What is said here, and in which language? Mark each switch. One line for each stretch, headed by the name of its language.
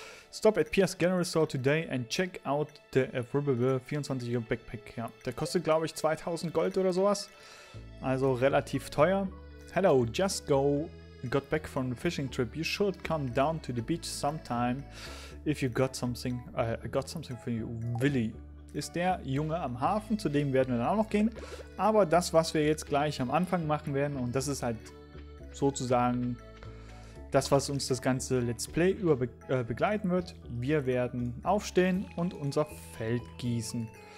English: Stop at Pierce General Store today and check out the 24-Euro Backpack.
German: Ja, der kostet, glaube ich, 2000 Gold oder sowas. Also relativ teuer.
English: Hello, just got back from a fishing trip. You should come down to the beach sometime. If you got something, I got something for you.
German: Willy ist der Junge am Hafen, zu dem werden wir dann auch noch gehen. Aber das, was wir jetzt gleich am Anfang machen werden, und das ist halt sozusagen das, was uns das ganze Let's Play über begleiten wird. Wir werden aufstehen und unser Feld gießen.